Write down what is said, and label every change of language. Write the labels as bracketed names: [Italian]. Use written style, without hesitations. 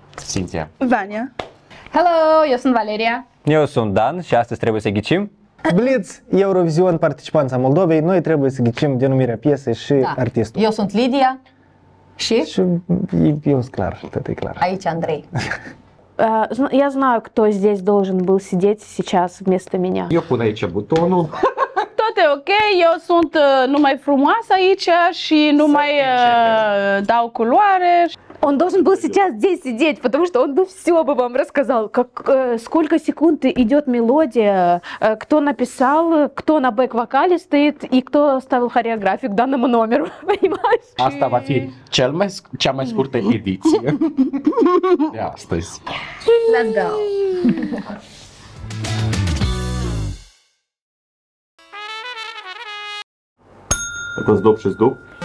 [Romanian] Cintia! Vania! Hello, eu sunt Valeria! Eu sunt Dan și astăzi trebuie să ghicim Blitz, Eurovision, participanța Moldovei. Noi trebuie să ghicim denumirea piesei și da. Artistul. Eu sunt Lidia și? Și eu sunt clar, tot e clar. Aici Andrei. [Russian] Я знаю, кто здесь должен был сидеть сейчас вместо меня. [Romanian] Eu pun aici butonul. Tot e ok, eu sunt numai frumoasă aici și numai dau culoare. [Russian] Он должен был сейчас здесь сидеть, потому что он бы все бы вам рассказал. Как, сколько секунд идет мелодия, кто написал, кто на бэк-вокале стоит и кто ставил хореографию к данному номеру, понимаешь? [Romanian] Asta va fi cea mai scurtă ediție de astăzi. [English] Let's go! [Romanian] Atunci dup și dup.